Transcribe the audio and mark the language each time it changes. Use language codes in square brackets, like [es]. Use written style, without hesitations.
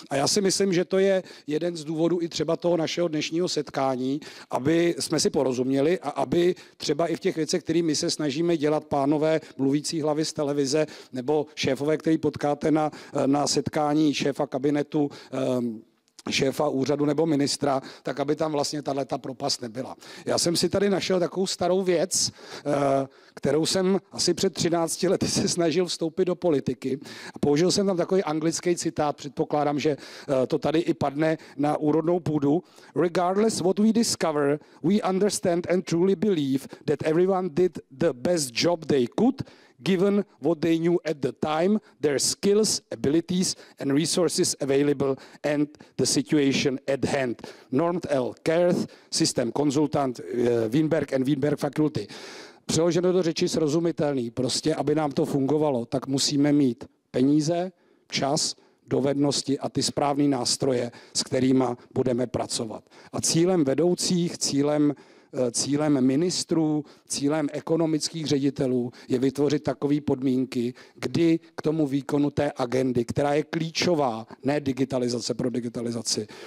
[cs] A já si myslím, že to je jeden z důvodů i třeba toho našeho dnešního setkání, aby jsme si porozuměli a aby třeba i v těch věcech, které my se snažíme dělat, pánové mluvící hlavy z televize nebo šéfové, který potkáte na setkání šéfa kabinetu, šéfa úřadu nebo ministra, tak aby tam vlastně tato propast nebyla. Já jsem si tady našel takovou starou věc, kterou jsem asi před 13 lety se snažil vstoupit do politiky. Použil jsem tam takový anglický citát, předpokládám, že to tady i padne na úrodnou půdu. [en] Regardless what we discover, we understand and truly believe that everyone did the best job they could, given what they knew at the time, their skills, abilities and resources available and the situation at hand. Norm L. Kerth, system consultant, Wienberg and Wienberg faculty. [cs] Přeloženo do řeči srozumitelný, prostě aby nám to fungovalo, tak musíme mít peníze, čas, dovednosti a ty správné nástroje, s kterými budeme pracovat. A cílem vedoucích, cílem ministrů, cílem ekonomických ředitelů je vytvořit takové podmínky, kdy k tomu výkonu té agendy, která je klíčová, ne digitalizace pro digitalizaci,